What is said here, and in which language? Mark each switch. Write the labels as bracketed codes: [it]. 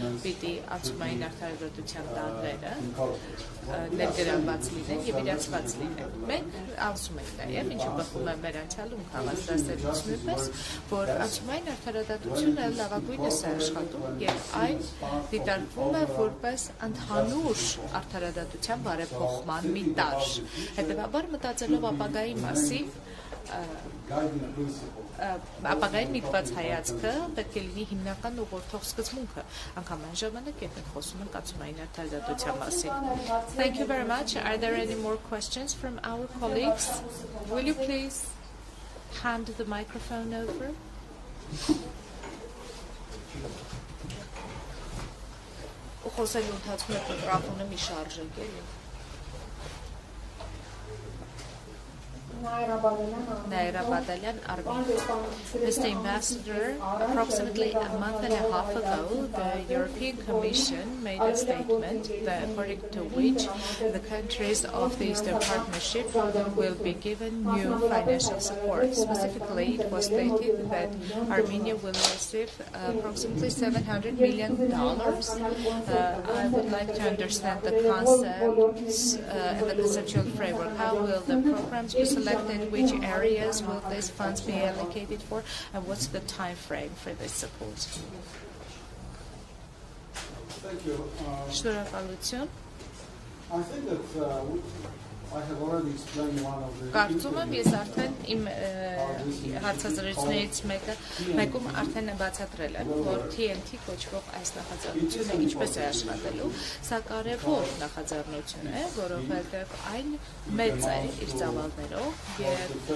[hy] պիտի ածմային արդարադատության տարրերը ներգրավված լինեն եւ իրացված լինեն։ Մենք ասում ենք նաեւ, ինչը բխում է մեր անցյալում հավաստասերությունը, պես որ ածմային արդարադատությունը լավագույնս է աշխատում եւ այն դիտարկվում է որպես ընդհանուր արդարադատության բարեփոխման մի տարր։ Հետևաբար մտածելով ապագայի մասին, ապագայի միտված հայացքը պետք է լինի հիմնական ուղղորդող սկզբունքը, անգամ այն ժամանակ, եթե խոսում ենք ածմային արդարադատության մասին։ [en] Thank you very much. Are there any more questions from our colleagues? Will you please hand the microphone over? [hy] Խոսելու ընթացքում միկրոֆոնը մի շարժեք էլի։ Նայրապատելյան Արմեն. [en] Mr. Ambassador, approximately a month and a half ago, the European Commission made a statement that according to which the countries of the Eastern Partnership will be given new financial support. Specifically, it was stated that Armenia will receive approximately $700 million. I would like to understand the concepts and the conceptual framework. How will the programs be selected? In which areas will these funds be allocated for, and what's the time frame for this support? Thank you. [hy] Շնորհակալություն. [en] I think that I have already explained one of the. [hy] Կարծում եմ, ես արդեն իմ հարցազրույցներից մեկում արդեն բացատրել եմ, որ TNT կոչվող այս նախաձեռնությունը ինչպես է աշխատելու։ Սա կարևոր նախաձեռնություն է, որովհետև այն մեծ է իր ծավալներով եւ